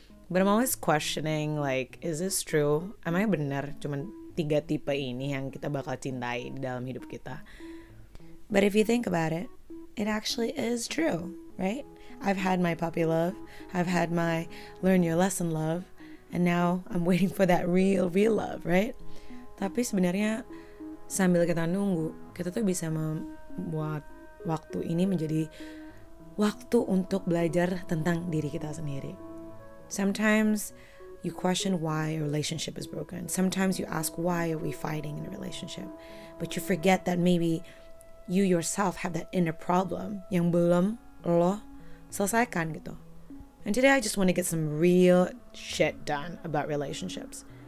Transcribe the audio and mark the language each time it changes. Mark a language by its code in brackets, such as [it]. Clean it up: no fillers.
[en] But I'm always questioning, like, is this true? Am I [id] benar cuman tiga tipe ini yang kita bakal cintai di dalam hidup kita? [en] But if you think about it, it actually is true, right? I've had my puppy love, I've had my learn your lesson love, and now I'm waiting for that real, real love, right? [id] Tapi sebenarnya sambil kita nunggu, kita tuh bisa membuat waktu ini menjadi waktu untuk belajar tentang diri kita sendiri. [en] Sometimes you question why a relationship is broken. Sometimes you ask why are we fighting in a relationship. But you forget that maybe you yourself have that inner problem [id] yang belum lo selesaikan gitu. [en] And today I just want to get some real shit done about relationships.